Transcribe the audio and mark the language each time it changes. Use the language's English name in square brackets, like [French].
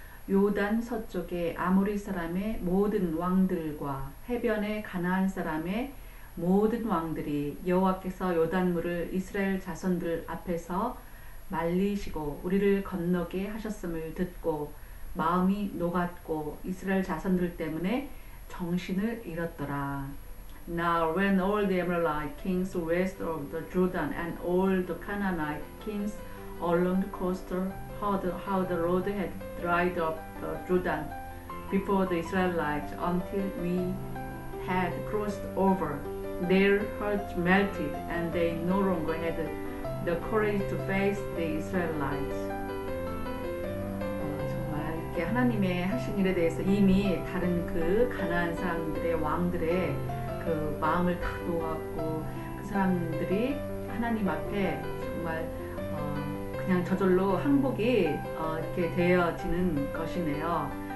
[Korean] 요단 서쪽에 아모리 사람의 모든 왕들과 해변의 가나안 사람의 모든 왕들이 여호와께서 요단물을 이스라엘 자손들 앞에서 말리시고 우리를 건너게 하셨음을 듣고 마음이 녹았고 이스라엘 자손들 때문에 정신을 잃었더라. [English] Now when all the Amorite kings west of the Jordan and all the Canaanite kings along the coast heard how the Lord had dried up the Jordan before the Israelites until we had crossed over, their hearts melted and they no longer had the courage to face the Israelites. [Korean] 정말 이렇게 하나님의 하신 일에 대해서 이미 다른 그 가나안 사람들의 왕들의 그 마음을 다 놓았고 그 사람들이 하나님 앞에 정말 그냥 저절로 항복이 이렇게 되어지는 것이네요.